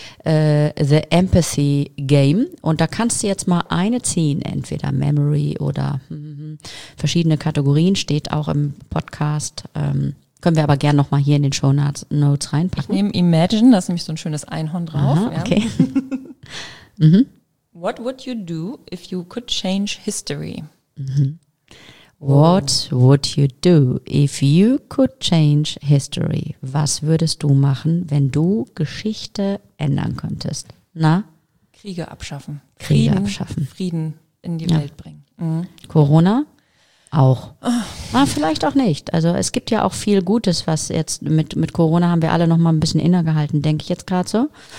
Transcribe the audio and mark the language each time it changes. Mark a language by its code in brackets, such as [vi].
[en] The Empathy Game. [de] Und da kannst du jetzt mal eine ziehen, entweder Memory oder verschiedene Kategorien, steht auch im Podcast. Können wir aber gerne nochmal hier in den Show Notes reinpacken. Ich nehme Imagine, da ist nämlich so ein schönes Einhorn drauf. Aha, okay. [en] What would you do if you could change history? What would you do if you could change history? [de] Was würdest du machen, wenn du Geschichte ändern könntest? Na? Kriege abschaffen. Kriege Frieden, abschaffen. Frieden in die Welt bringen. Mhm. Corona? Auch. Ah, vielleicht auch nicht. Also es gibt ja auch viel Gutes, was jetzt mit Corona haben wir alle noch mal ein bisschen innegehalten, denke ich jetzt gerade so.